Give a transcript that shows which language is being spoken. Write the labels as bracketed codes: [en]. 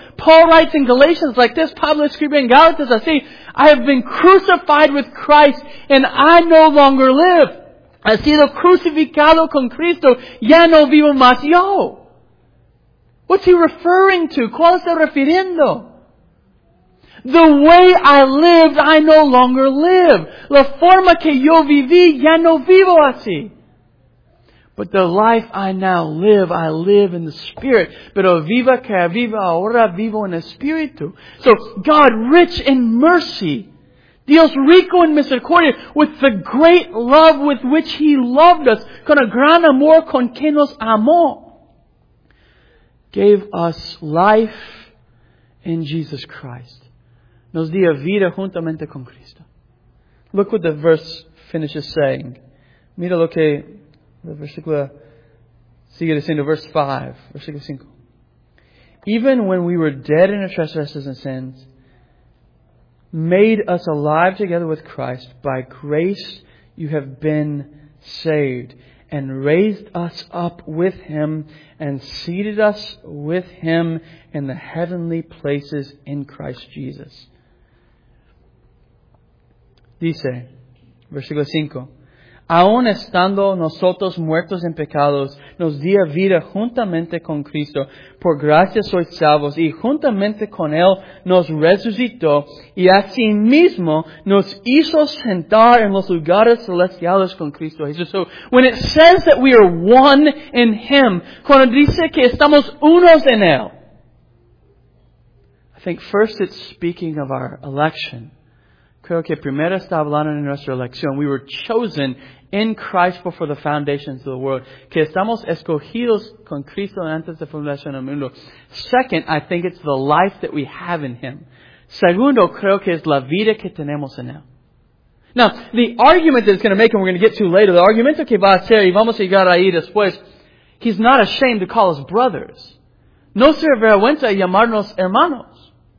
[en] Paul writes in Galatians like this, [es] Pablo escribe en Galatas así, [en] I have been crucified with Christ and I no longer live. [es] He sido crucificado con Cristo, ya no vivo más yo. [en] What's he referring to? [es] ¿Cuál está refiriendo? [en] The way I lived, I no longer live. [es] La forma que yo viví, ya no vivo así. [en] But the life I now live, I live in the Spirit. [es] Pero viva que viva ahora, vivo en Espíritu. [en] So, God, rich in mercy, [es] Dios rico en misericordia, [en] with the great love with which He loved us, [es] con el gran amor con que nos amó, [en] gave us life in Jesus Christ. [es] Nos dio vida juntamente con Cristo. [en] Look what the verse finishes saying. [es] Mira lo que the versículo sigue diciendo, verse 5, versículo 5. [en] Even when we were dead in our trespasses and sins, made us alive together with Christ, by grace you have been saved, and raised us up with Him, and seated us with Him in the heavenly places in Christ Jesus. [es] Dice, versículo 5, aún estando nosotros muertos en pecados, nos dio vida juntamente con Cristo. Por gracia sois salvos, y juntamente con Él nos resucitó, y asimismo nos hizo sentar en los lugares celestiales con Cristo Jesús. [en] So, when it says that we are one in Him, [es] cuando dice que estamos unos en Él, [en] I think first it's speaking of our election. [es] Creo que primero está hablando de nuestra elección. [en] We were chosen in Christ before the foundations of the world. [es] Que estamos escogidos con Cristo antes de fundación del mundo. [en] Second, I think it's the life that we have in Him. [es] Segundo, creo que es la vida que tenemos en Él. [en] Now, the argument that it's going to make, and we're going to get to later, [es] the argumento que va a hacer, y vamos a llegar ahí después, [en] He's not ashamed to call us brothers. [es] No se avergüenza llamarnos hermanos.